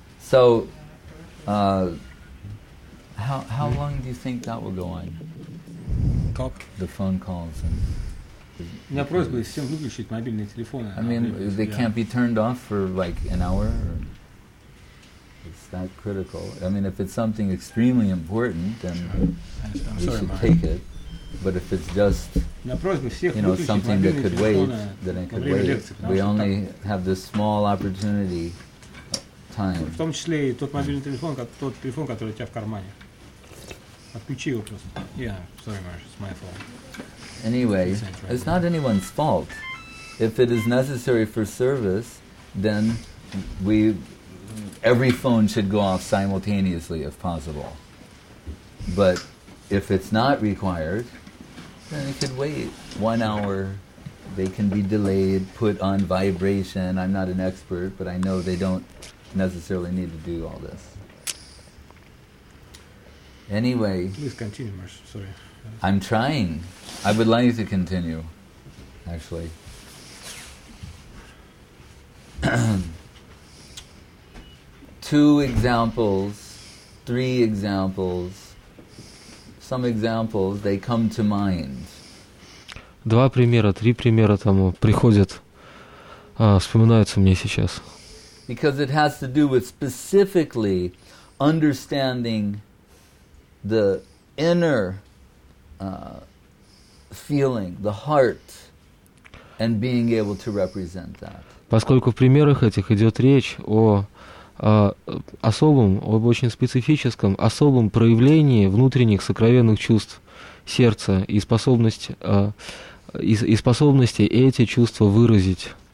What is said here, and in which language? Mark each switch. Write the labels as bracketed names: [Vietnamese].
[English] So, how long do you think that will go on? the phone calls and. [Russian] У меня просьба всем выключить мобильные телефоны. [English] I mean, they can't be turned off for like an hour. It's that critical. I mean, if it's something extremely important, then you should take it. But if it's just, you know, something that could wait, then it could wait. We only have this small opportunity time. [Russian] В том числе и тот мобильный телефон, тот телефон, который у тебя в кармане. Отключи его просто. [English] Yeah, sorry, Marge, it's my fault. Anyway, it's not anyone's fault. If it is necessary for service, then every phone should go off simultaneously if possible. But if it's not required, then it could wait 1 hour. They can be delayed, put on vibration. I'm not an expert, but I know they don't necessarily need to do all this. Anyway. Please continue, Marsh. Sorry. I'm trying. I would like to continue, actually. Two examples, three examples, some examples, they come to mind. [Russian] Два примера, три примера там приходят, вспоминаются мне сейчас. [English] Because it has to do with specifically understanding the inner feeling, the heart, and being able to represent that. [Russian] Поскольку в примерах этих идет речь о особом, об очень специфическом, особом проявлении внутренних сокровенных чувств сердца и способности эти чувства выразить.